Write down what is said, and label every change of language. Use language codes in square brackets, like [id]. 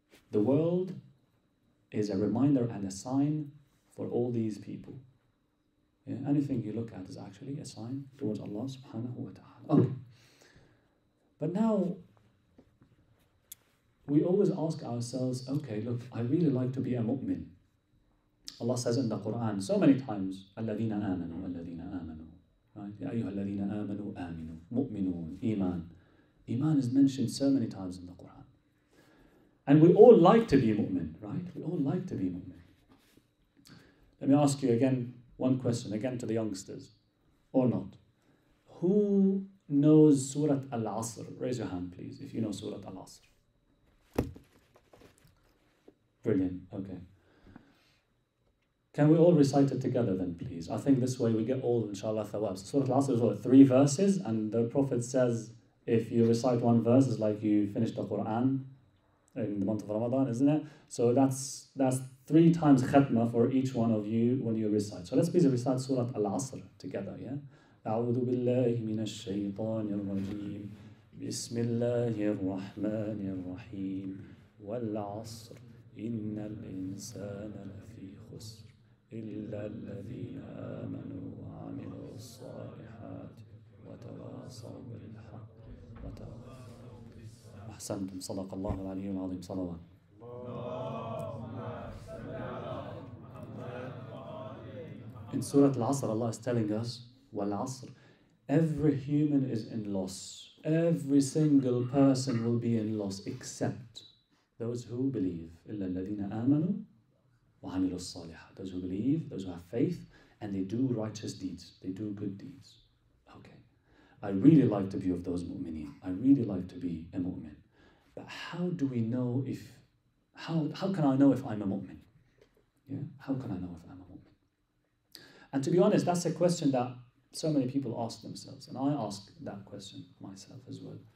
[en] The world is a reminder and a sign for all these people. Yeah, anything you look at is actually a sign towards Allah subhanahu wa ta'ala. Okay. But now, we always ask ourselves, okay, look, I really like to be a mu'min. Allah says in the Quran so many times, [ar] الَّذِينَ آمَنُوا الَّذِينَ آمَنُوا يَا أَيُّهَا الَّذِينَ آمَنُوا آمِنُوا مُؤْمِنُونَ إِيمَان. [en] Iman is mentioned so many times in the Quran. And we all like to be mu'min, right? We all like to be mu'min. Let me ask you again, one question, again to the youngsters, or not. Who knows Surah Al-Asr? Raise your hand, please, if you know Surah Al-Asr. Brilliant, okay. Can we all recite it together then, please? I think this way we get all, inshallah, thawab. So Surah Al-Asr is what, 3 verses? And the Prophet says, if you recite one verse, it's like you finished the Quran in the month of Ramadan, isn't it? So that's 3 times khatma for each one of you when you recite. So let's please recite Surah Al-Asr together, yeah? [ar] أعوذ بالله من الشيطان الرجيم بسم الله الرحمن الرحيم والعصر إن الإنسان لفي خسر إلا الذين آمنوا وعملوا الصالحات وتواصوا بالحق وتواصوا. أحسنتم صدق الله العلي العظيم صلوات. [en] In Surah Al-Asr, Allah is telling us, والعصر, every human is in loss. Every single person will be in loss except those who believe. [ar] إلا الذين آمنوا وعملوا الصالحات. [en] Those who believe, those who have faith, and they do righteous deeds. They do good deeds. Okay. I really like to be of those mu'mineen. I really like to be a mu'min. But how do we know if... How can I know if I'm a mu'min? Yeah? How can I know if I'm a mu'min? And to be honest, that's a question that so many people ask themselves, and I ask that question myself as well.